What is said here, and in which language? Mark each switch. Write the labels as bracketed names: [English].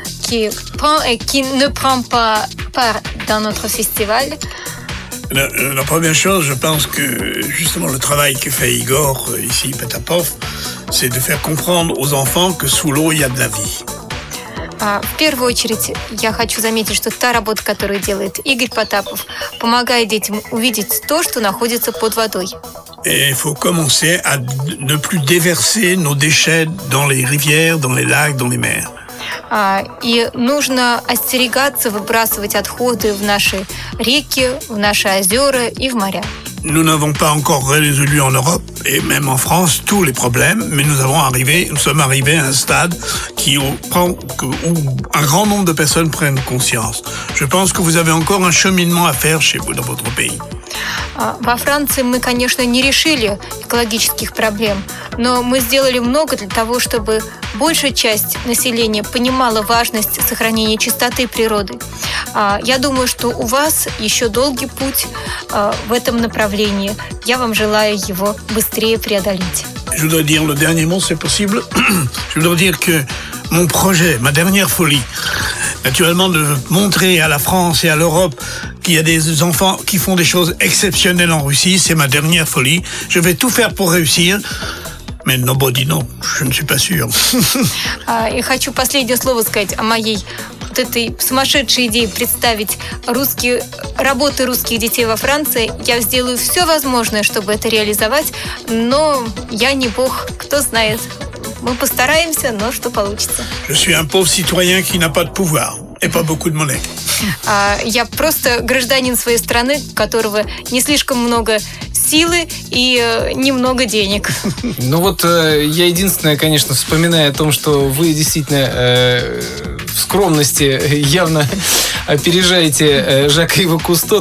[French] Qui prend et qui ne prend pas part dans notre festival. La première chose, je pense que justement le travail que fait Igor ici, Petapov, c'est de faire comprendre aux enfants que sous l'eau, il y a de la vie. [Russian] В первую очередь, я хочу заметить, что та работа, которую делает Игорь Потапов, помогает детям увидеть то, что находится под водой. [French] Et il faut commencer à ne plus déverser nos déchets dans les rivières, dans les lacs, dans les mers. [Russian] И нужно остерегаться выбрасывать отходы в наши реки, в наши озера и в моря. [French] Nous n'avons pas encore résolu en Europe et même en France tous les problèmes, mais nous sommes arrivés à un stade où un grand nombre de personnes prennent conscience. Je pense que vous avez encore un cheminement à faire chez vous, dans votre pays. [Russian] Во Франции мы, конечно, не решили экологических проблем, но мы сделали много для того, чтобы большая часть населения понимала важность сохранения чистоты природы. Я думаю, что у вас еще долгий путь в этом направлении. Я вам желаю его быстрее преодолеть. [French] Je dois dire le dernier mot, c'est possible. Je dois dire que mon projet, ma dernière folie, naturellement de montrer à la France et à l'Europe qu'il y a des enfants qui font des choses exceptionnelles en Russie, c'est ma dernière folie. Je vais tout faire pour réussir. Mais [English] nobody knows, [French] je ne suis pas sûr. [Russian] Я хочу последнее слово сказать о моей вот этой сумасшедшей идее представить русские работы русских детей во Франции. Я сделаю все возможное, чтобы это реализовать, но я не бог, кто знает. Мы постараемся, но что получится? [French] Je suis un pauvre citoyen qui n'a pas de pouvoir et pas beaucoup de monnaie. [Russian] Я просто гражданин своей страны, у которого не слишком много силы и немного денег. Ну вот я единственное, конечно, вспоминаю о том, что вы действительно в скромности явно опережаете Жака Ива Кусто.